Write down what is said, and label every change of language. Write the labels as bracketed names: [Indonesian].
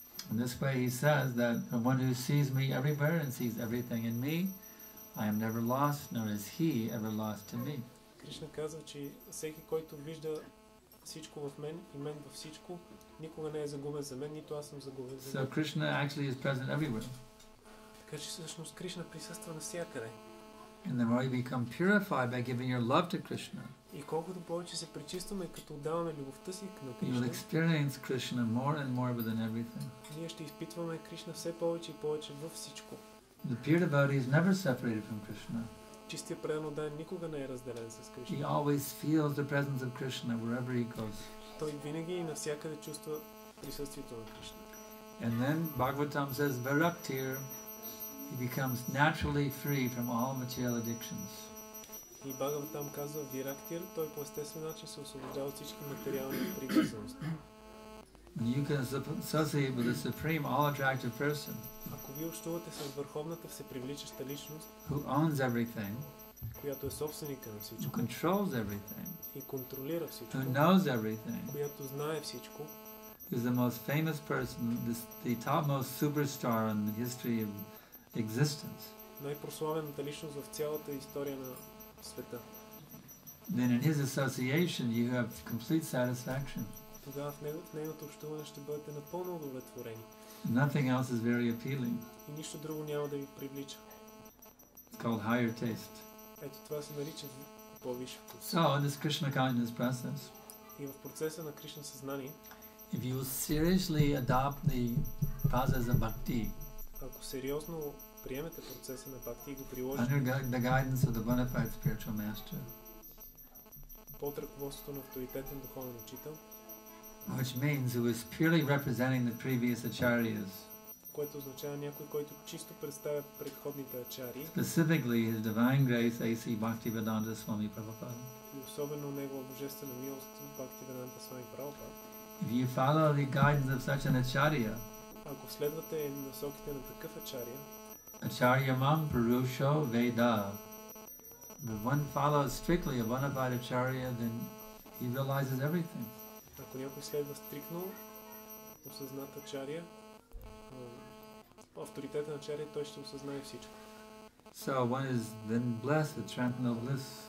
[English] In this way he says that the one who sees me everywhere and sees everything in me, I am never lost, nor is he ever lost to me. [Bulgarian] Krishna казва, че всеки, който вижда всичко в мен и мен във всичко, никога не е загубен за мен, нито аз съм загубен за него. [English] So Krishna actually is present everywhere. [Bulgarian] Така че всъщност Кришна присъства навсякъде. [English] And the more you become purified by giving your love to Krishna, [Bulgarian] и колкото повече се пречистваме, като отдаваме любовта си на [English] Кришна, you'll experience Krishna more and more within everything. [Bulgarian] Ние ще изпитваме Кришна все повече и повече във всичко. [English] The pure devotee is never separated from Krishna. [Bulgarian] Чистия преданно да никога не е разделен с Кришна. [English] He always feels the presence of Krishna wherever he goes. [Bulgarian] Той винаги и навсякъде чувства присъствието на Кришна. [English] And then Bhagavatam says, Viraktir, he becomes naturally free from all material addictions. [Bulgarian] И Бхагаватам казва, Вирактир, той по естествен начин се освобождава от всички материални привързаности. [English] When you can associate with the supreme, all-attractive person, [Bulgarian] ако вие общувате с върховната, всепривличаща личност, [English] who owns everything, [Bulgarian] която е собственика на всичко, [English] who controls everything, [Bulgarian] и контролира всичко, [English] who knows everything, [Bulgarian] която знае всичко, [English] who is the most famous person, the topmost superstar in the history of existence, [Bulgarian] най-прославената личност в цялата история на света, [English] then in his association you have complete satisfaction. [Bulgarian] Тогава в нейното общуване ще бъдете напълно удовлетворени. [English] Nothing else is very appealing. [Bulgarian] И нищо друго няма да ви привлича. [English] It's called higher taste. [Bulgarian] Ето това се нарича по-висш вкус. [English] So, in this Krishna consciousness process, [Bulgarian] и в процеса на Кришна съзнание, [English] if you seriously adopt the process of bhakti, [Bulgarian] ако сериозно приемете процеса на бхакти и го приложите, [English] under the guidance of the bona fide spiritual master, [Bulgarian] под ръководството на авторитетен духовен учител, [English] which means who is purely representing the previous acharyas, [Bulgarian] което означава някой, който чисто представя предходните ачари, [English] specifically His Divine Grace A.C. Bhaktivedanta Swami Prabhupada, [Bulgarian] и особено Негова Божествена милост Бхактиведанта Свами Прабхупада. [English] If you follow the guidance of such an acharya, [Bulgarian] ако следвате насоките на такъв ачария, [Sanskrit] acharya mam purusho veda, [English] if one follows strictly a bona fide acharya, then he realizes everything. [Bulgarian] Ако някой следва стрикно осъзната чария, авторитета на чария, той ще осъзнае всичко. [English] So one is then blessed with transcendental bliss.